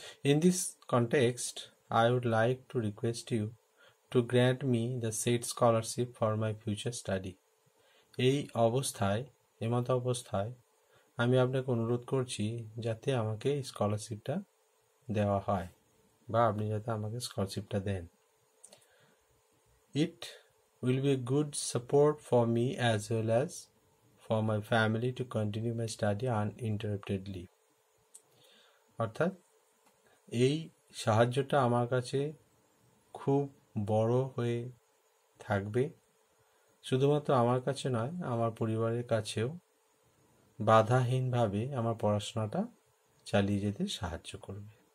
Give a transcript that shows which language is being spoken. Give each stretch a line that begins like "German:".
English: In this context I would like to request you to grant me the set scholarship for my future study.
Bangla: এই অবস্থায়, এমত অবস্থায় আমি আপনাকে অনুরোধ করছি যাতে আমাকে এই স্কলারশিপটা দেওয়া হয়, বা আপনি যাতে আমাকে স্কলারশিপটা দেন।
English: It will be a good support for me as well as for my family to continue my study uninterruptedly.
Bangla: অর্থাৎ এই সাহায্যটা আমার কাছে খুব বড় হয়ে থাকবে, শুধুমাত্র আমার কাছে নয়, আমার পরিবারের কাছেও বাধাহীনভাবে আমার পড়াশোনাটা চালিয়ে যেতে সাহায্য করবে।